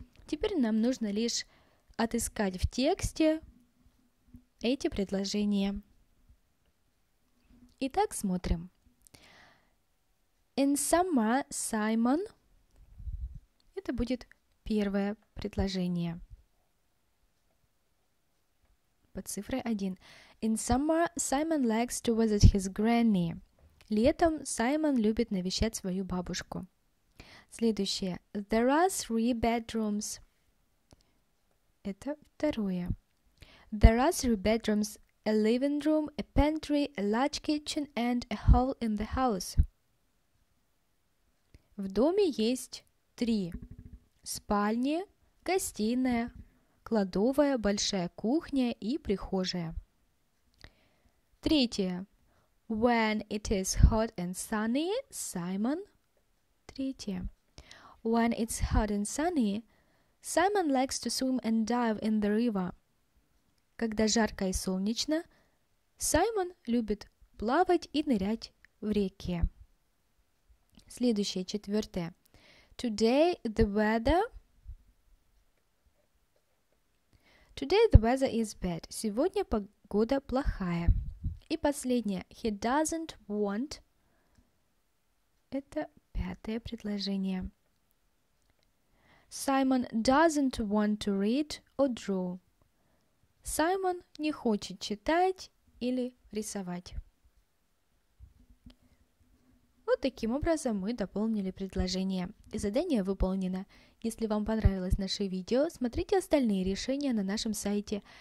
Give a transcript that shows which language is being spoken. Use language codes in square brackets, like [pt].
[ru] Теперь нам нужно лишь отыскать в тексте эти предложения. Итак, смотрим. [en] In summer, Simon... [ru] Это будет первое предложение. Под цифрой 1. [en] In summer, Simon likes to visit his granny. [ru] Летом Саймон любит навещать свою бабушку. Следующее. [en] There are three bedrooms. [ru] Это второе. [en] There are three bedrooms, a living room, a pantry, a large kitchen and a hall in the house. [ru] В доме есть три. Спальни, гостиная, кладовая, большая кухня и прихожая. Третье. [en] When it is hot and sunny, Simon... Третье. When it's hot and sunny, Simon likes to swim and dive in the river. [ru] Когда жарко и солнечно, Саймон любит плавать и нырять в реке. Следующее, четвертое. [en] Today the weather... Today the weather is bad. [ru] Сегодня погода плохая. И последнее. [en] He doesn't want... [ru] Это пятое предложение. [en] Simon doesn't want to read or draw. [ru] Саймон не хочет читать или рисовать. Вот таким образом мы дополнили предложение. И задание выполнено. Если вам понравилось наше видео, смотрите остальные решения на нашем сайте.